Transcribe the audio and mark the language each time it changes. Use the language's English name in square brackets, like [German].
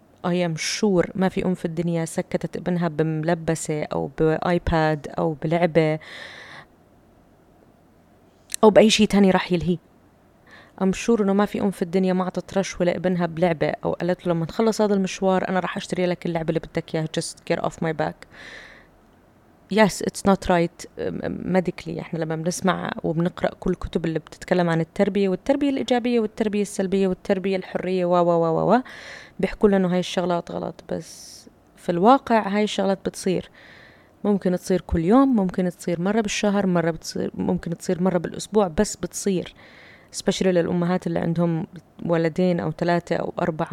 [English] I am sure [Arabic] ما في أم في الدنيا سكتت ابنها بملبسة أو بآيباد أو بلعبة أو بأي شيء تاني راح يلهي. [English] I'm sure [Arabic] إنه ما في أم في الدنيا ما عطت رشوة لابنها بلعبة أو قالت له لما تخلص هذا المشوار أنا راح أشتري لك اللعبة اللي بدك إياها. [English] Just get off my back. Yes it's not right medically. [Arabic] إحنا لما بنسمع وبنقرأ كل كتب اللي بتتكلم عن التربية والتربية الإيجابية والتربية السلبية والتربية الحرية وا وا وا وا وا بيحكوا لنا هاي الشغلات غلط، بس في الواقع هاي الشغلات بتصير. ممكن تصير كل يوم، ممكن تصير مرة بالشهر، مرة بتصير، ممكن تصير مرة بالأسبوع، بس بتصير especially للأمهات اللي عندهم ولدين أو ثلاثة أو أربعة.